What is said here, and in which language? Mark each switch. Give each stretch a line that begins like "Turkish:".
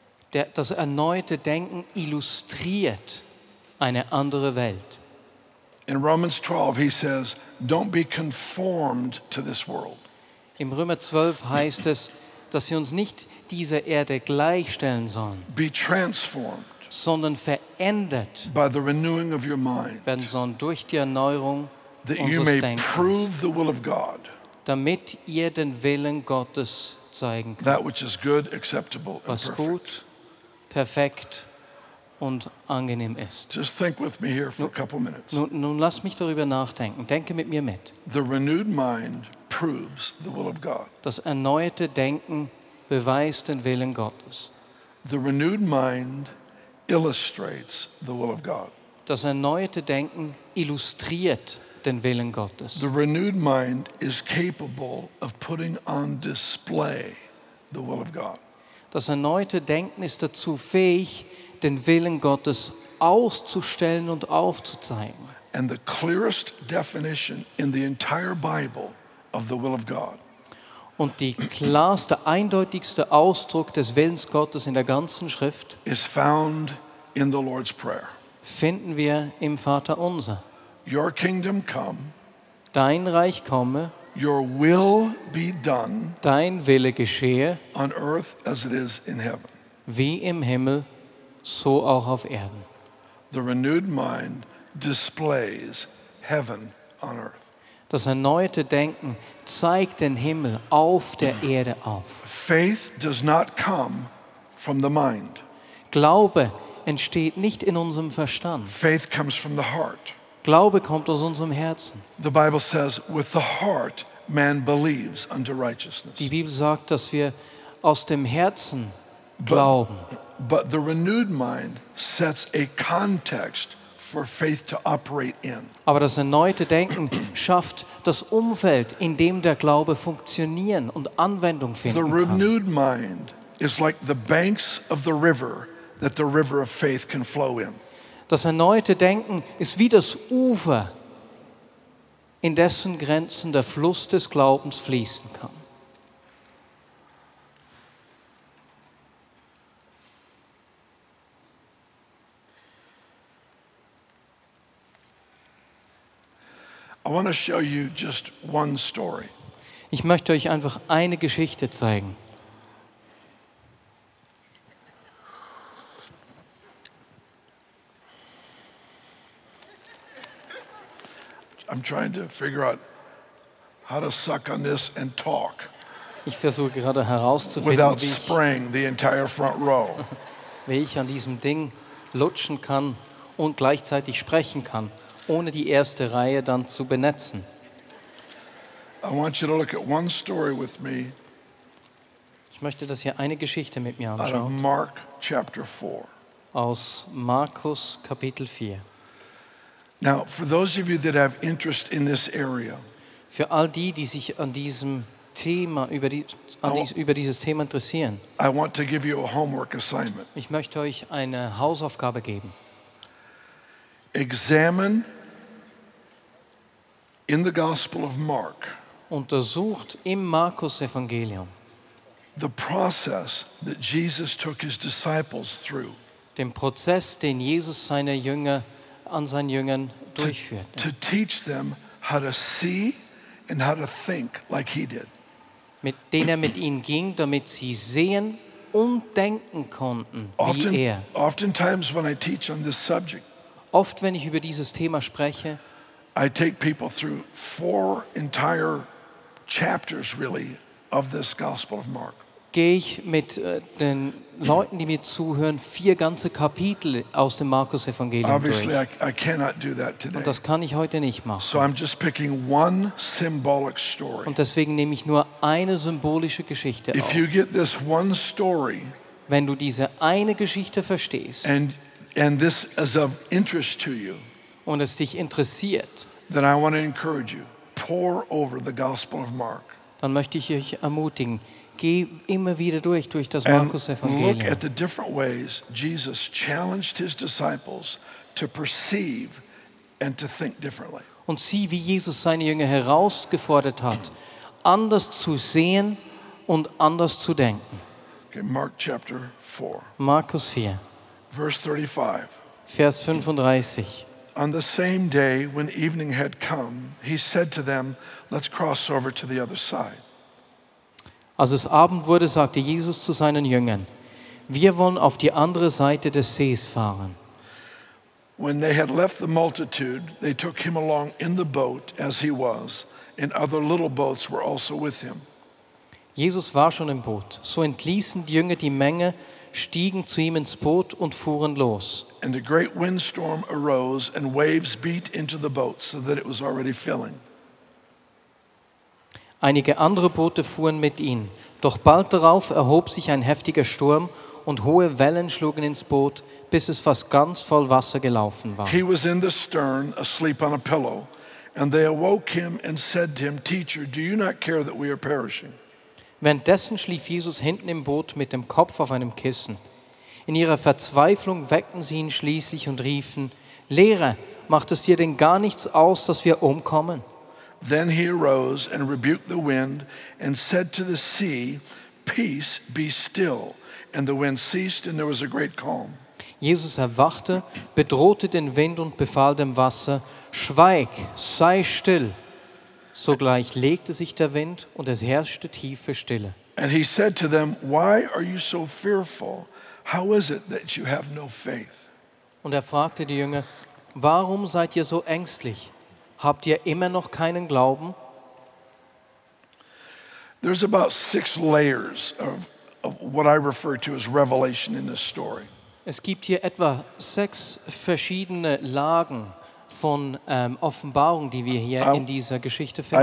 German: Das erneute Denken illustriert eine andere Welt.
English: In Romans 12 he says, don't be conformed to this world.
German: Im Römer 12 heißt es, dass wir uns nicht dieser Erde gleichstellen sollen.
English: Be transformed.
German: sondern verändert
English: by the renewing of your mind,
German: werden sollen durch die Erneuerung
English: that you may prove the will of God,
German: damit ihr den Willen Gottes zeigen könnt,
English: that which is good, acceptable,
German: was
English: and
German: gut, perfekt und angenehm ist.
English: Just think with me here for a couple minutes.
German: Nun lass mich darüber nachdenken. Denke mit mir mit.
English: The renewed mind proves the will of God.
German: Das erneuerte Denken beweist den Willen Gottes.
English: The renewed mind illustrates the will of God.
German: Das erneuerte Denken illustriert den Willen Gottes.
English: The renewed mind is capable of putting on display the will of God.
German: Das erneuerte Denken ist dazu fähig, den Willen Gottes auszustellen und aufzuzeigen.
English: And the clearest definition in the entire Bible of the will of God.
German: Und die klarste, eindeutigste Ausdruck des Willens Gottes in der ganzen Schrift
English: is found in the Lord's Prayer.
German: Finden wir im Vater unser.
English: Your kingdom come.
German: Dein Reich komme.
English: Your will be done.
German: Dein Wille geschehe.
English: On earth as it is in heaven.
German: Wie im Himmel, so auch auf Erden.
English: The renewed mind displays heaven on earth.
German: Das erneuerte Denken zeigt den Himmel auf der Erde auf.
English: Faith does not come from the mind.
German: Glaube entsteht nicht in unserem Verstand.
English: Faith comes from the heart.
German: Glaube kommt aus unserem Herzen.
English: The Bible says, with the heart man believes unto righteousness.
German: Die Bibel sagt, dass wir aus dem Herzen glauben.
English: But the renewed mind sets a context for faith to operate in.
German: Aber das erneute Denken schafft das Umfeld, in dem der Glaube funktionieren und Anwendung finden kann.
English: The renewed mind is like the banks of the river that the river of faith can flow in.
German: Das erneute Denken ist wie das Ufer, in dessen Grenzen der Fluss des Glaubens fließen kann.
English: I want to show you just one story.
German: Ich möchte euch einfach eine Geschichte zeigen.
English: I'm trying to figure out how to suck on this and talk.
German: Ich versuche gerade herauszufinden,
English: without spraying the entire front row.
German: Wie ich an diesem Ding lutschen kann und gleichzeitig sprechen kann, ohne die erste Reihe dann zu benetzen.
English: I want you to look at one story with me.
German: Ich möchte, dass ihr eine Geschichte mit mir anschaut.
English: Mark chapter 4.
German: Aus Markus Kapitel 4.
English: Now, for those of you that have interest in this area.
German: Für all die, die sich an diesem Thema über dieses Thema interessieren.
English: I want to give you a homework assignment.
German: Ich möchte euch eine Hausaufgabe geben.
English: Examine in the Gospel of Mark.
German: Untersucht im Markus Evangelium
English: the process that Jesus took his disciples through.
German: Den Prozess, den Jesus seine Jünger an seinen Jüngern durchführte.
English: To teach them how to see and how to think like he did.
German: Mit denen er mit ihnen ging, damit sie sehen und denken konnten wie
English: often,
German: er.
English: Oftentimes when I teach on this subject.
German: Oft, wenn ich über dieses Thema spreche,
English: I take people through four entire chapters, really, of this Gospel of Mark.
German: Gehe ich mit den Leuten, die mir zuhören, vier ganze Kapitel aus dem Markus-Evangelium
English: obviously
German: durch.
English: I cannot do that today.
German: Und das kann ich heute nicht machen.
English: So I'm just picking one symbolic story.
German: Und deswegen nehme ich nur eine symbolische Geschichte
English: if
German: auf.
English: You get this one story,
German: wenn du diese eine Geschichte verstehst,
English: and this is of interest to you,
German: und es dich interessiert,
English: then I want to encourage you, pour over the Gospel of Mark.
German: Dann möchte ich euch ermutigen, geh immer wieder durch das Markus-Evangelium.
English: Look at the different ways Jesus challenged his disciples to perceive and to think differently.
German: Und sieh, wie Jesus seine Jünger herausgefordert hat, anders zu sehen und anders zu denken.
English: Okay, Mark chapter 4.
German: Markus 4.
English: Verse 35.
German: Vers 35.
English: On the same day when evening had come, he said to them, let's cross over to the other side.
German: Als es Abend wurde, sagte Jesus zu seinen Jüngern, Wir wollen auf die andere Seite des Sees fahren.
English: When they had left the multitude, they took him along in the boat as he was, and other little boats were also with him.
German: Jesus war schon im Boot. So entließen die Jünger die Menge, stiegen zu ihm ins Boot und fuhren los.
English: And a great windstorm arose and waves beat into the boat so that it was already filling.
German: Einige andere Boote fuhren mit ihm. Doch bald darauf erhob sich ein heftiger Sturm und hohe Wellen schlugen ins Boot, bis es fast ganz voll Wasser gelaufen war.
English: He was in the stern, asleep on a pillow, and they awoke him and said to him, "Teacher, do you not care that we are perishing?"
German: Währenddessen schlief Jesus hinten im Boot mit dem Kopf auf einem Kissen. In ihrer Verzweiflung weckten sie ihn schließlich und riefen, "Lehrer, macht es dir denn gar nichts aus, dass wir umkommen?"
English: Then he arose and rebuked the wind and said to the sea, "Peace, be still." And the wind ceased and there was a great calm.
German: Jesus erwachte, bedrohte den Wind und befahl dem Wasser, "Schweig, sei still." Sogleich legte sich der Wind und es herrschte tiefe Stille.
English: And he said to them, "Why are you so fearful? How is it that you have no faith?"
German: Und fragte die Jünger, "Warum seid ihr so ängstlich? Habt ihr immer noch keinen Glauben?"
English: There's about six layers of what I refer to as revelation in this story.
German: Es gibt hier etwa sechs verschiedene Lagen von Offenbarung, die wir hier in dieser Geschichte finden.